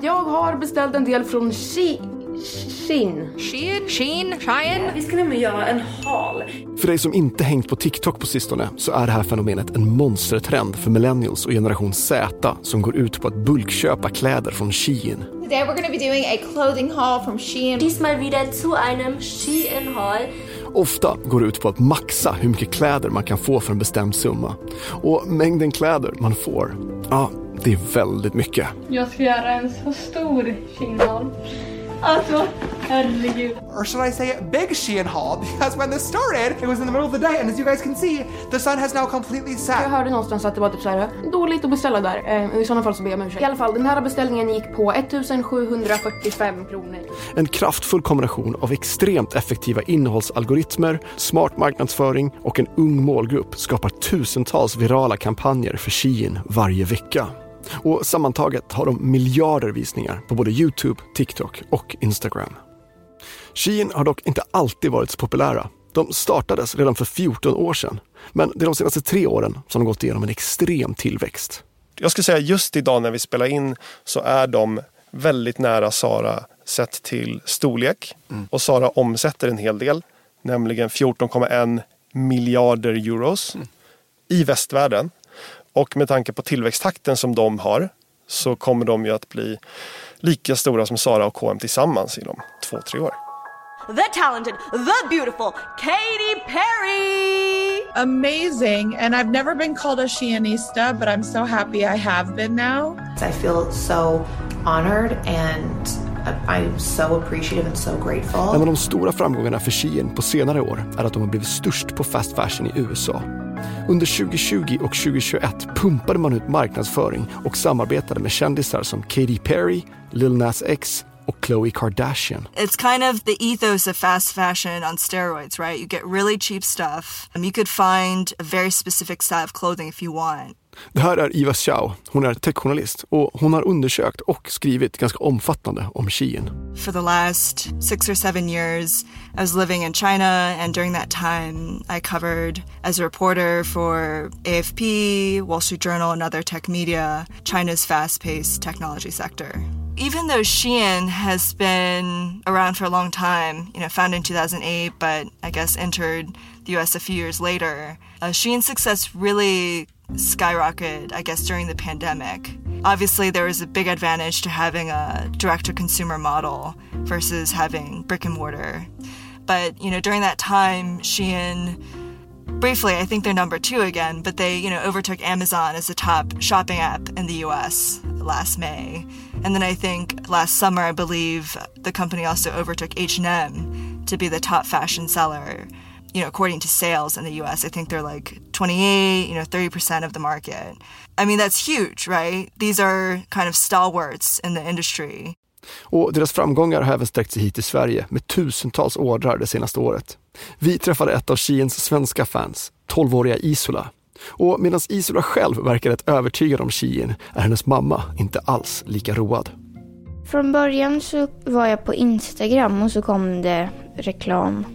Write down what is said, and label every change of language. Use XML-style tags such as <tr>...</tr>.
<sv>Jag har beställt en del från Shein. Vi ska nämligen göra en hall. För dig som inte hängt på TikTok på sistone så är det här fenomenet en monstertrend för millennials och generation Z som går ut på att bulkköpa kläder från Shein.</sv> <en>Today we're going to be doing a clothing haul from Shein.</en> <de>Dies mal wieder zu einem Shein haul.</de> <sv>Ofta går det ut på att maxa hur mycket kläder man kan få för en bestämd summa. Och mängden kläder man får, ja, det är väldigt mycket. Jag ska göra en så stor Shein haul. Alltså,</sv> <en>or should I say big Shein haul? Because when this started, it was in the middle of the day, and as you guys can see, the sun has now completely set.</en> <sv>Jag hörde någonstans att det var typ såhär dåligt att beställa där. I sådana fall så ber jag om ursäkt. I alla fall, den här beställningen gick på 1745 kronor. En kraftfull kombination av extremt effektiva innehållsalgoritmer, smart marknadsföring och en ung målgrupp skapar tusentals virala kampanjer för Shein varje vecka. Och sammantaget har de miljarder visningar på både YouTube, TikTok och Instagram. Shein har dock inte alltid varit så populära. De startades redan för 14 år sedan. Men det är de senaste 3 åren som har gått igenom en extrem tillväxt. Jag skulle säga just idag när vi spelar in så är de väldigt nära Zara sett till storlek. Mm. Och Zara omsätter en hel del, nämligen 14,1 miljarder euros i västvärlden. Och med tanke på tillväxttakten som de har så kommer de ju att bli lika stora som Zara och H&M tillsammans inom 2-3 år.</sv> <en>The talented, the beautiful Katy Perry! Amazing, and I've never been called a Sheinista, but I'm so happy I have been now. I feel so honored and I'm so appreciative and so grateful.</en> <sv>En av de stora framgångarna för Shein på senare år är att de har blivit störst på fast fashion i USA. Under 2020 och 2021 pumpade man ut marknadsföring och samarbetade med kändisar som Katy Perry, Lil Nas X och Khloe Kardashian.</sv> <en>It's kind of the ethos of fast fashion on steroids, right? You get really cheap stuff. You could find a very specific set of clothing if you want.</en> <sv>Det här är Iva Chow. Hon är techjournalist och hon har undersökt och skrivit ganska omfattande om Shein.</sv> <en>For the last 6 or 7 years I was living in China, and during that time I covered as a reporter for AFP, Wall Street Journal and other tech media, China's fast-paced technology sector. Even though Shein has been around for a long time, you know, founded in 2008 but I guess entered the US a few years later, Shein's success really skyrocketed, I guess, during the pandemic. Obviously, there was a big advantage to having a direct-to-consumer model versus having brick-and-mortar. But, you know, during that time, Shein, briefly, I think they're number two again, but they, you know, overtook Amazon as the top shopping app in the U.S. last May. And then I think last summer, I believe, the company also overtook H&M to be the top fashion seller, you know, according to sales in the U.S. I think they're like 28, you know, 30% of the market. I mean, that's huge, right? These are kind of stalwarts in the industry.</en> <sv>Och deras framgångar har även sträckt sig hit i Sverige med tusentals ordrar det senaste året. Vi träffade ett av Sheins svenska fans, 12-åriga Isola. Och medan Isola själv verkar rätt övertygad om Shein är hennes mamma inte alls lika road. Från början så var jag på Instagram och så kom det reklam.</sv>